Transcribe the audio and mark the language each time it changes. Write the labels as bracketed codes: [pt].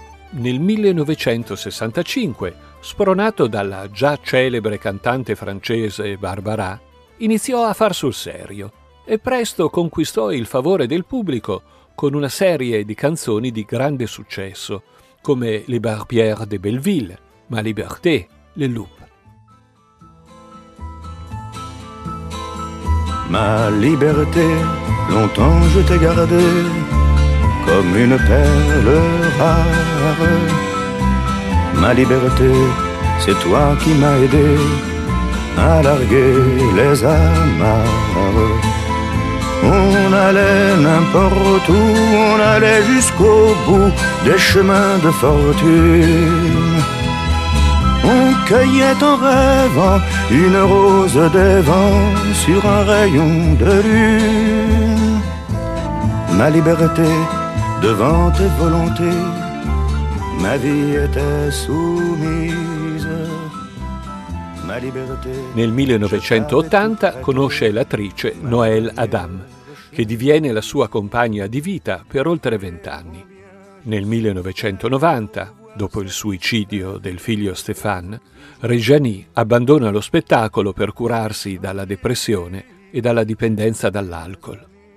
[it] Nel 1965, spronato dalla già celebre cantante francese Barbara, iniziò a far sul serio e presto conquistò il favore del pubblico con una serie di canzoni di grande successo, come Les Barbières de Belleville, Ma Liberté, Les Loups. [fr] Ma liberté, longtemps je t'ai gardé comme une perle rare. Ma liberté, c'est toi qui m'as aidé à larguer les amarres. On allait n'importe où, on allait jusqu'au bout des chemins de fortune. On cueillait en rêvant une rose des vents sur un rayon de lune. Ma liberté, devant tes volontés, ma vie était soumise. Ma liberté. [it] Nel 1980 conosce l'attrice Noëlle Adam, che diviene la sua compagna di vita per oltre 20 anni. Nel 1990, dopo il suicidio del figlio Stéphane, Reggiani abbandona lo spettacolo per curarsi dalla depressione e dalla dipendenza dall'alcol.